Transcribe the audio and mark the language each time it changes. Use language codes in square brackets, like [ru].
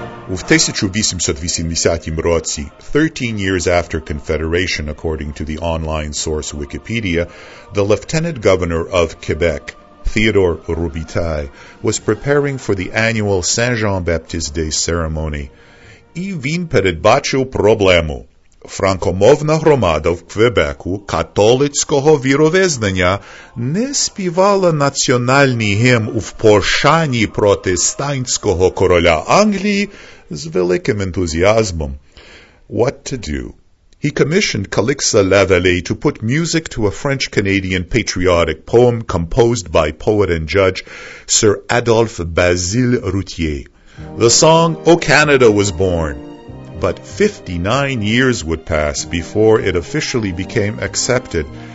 [uk] У 1880 році, [en] 13 years after Confederation, according to the online source Wikipedia, the Lieutenant Governor of Quebec, Theodore Robitaille, was preparing for the annual Saint-Jean-Baptiste Day ceremony. [uk] І він передбачив проблему. Франкомовна громада в Квебеку католицького віровизнання не співала національний гімн у пошані протестантського короля Англії з великим ентузіазмом. [en] What to do? He commissioned Calixte Lavallée to put music to a French-Canadian patriotic poem composed by poet and judge Sir Adolphe Basile Routhier. The song O Canada was born. But 59 years would pass before it officially became accepted.